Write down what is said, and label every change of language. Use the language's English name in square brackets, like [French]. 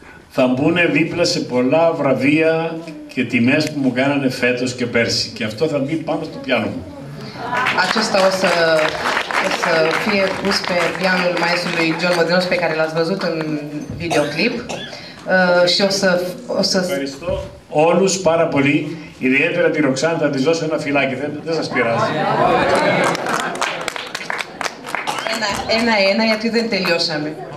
[Greek] Θα μπουν δίπλα σε πολλά βραβεία και τιμές που μου κάνανε φέτος και πέρσι. Και αυτό θα μπει πάνω στο πιάνο μου. [Romanian] Acesta o să fie pus pe pianul maestrului John Modinos pe care l-ați văzut în videoclip. Și o să... [Greek] Ευχαριστώ όλους πάρα πολύ. Ιδιαίτερα τη Ροξάντα, της δώσω ένα φυλάκι. Δεν σας πειράζει. Ένα-ένα, γιατί δεν τελειώσαμε.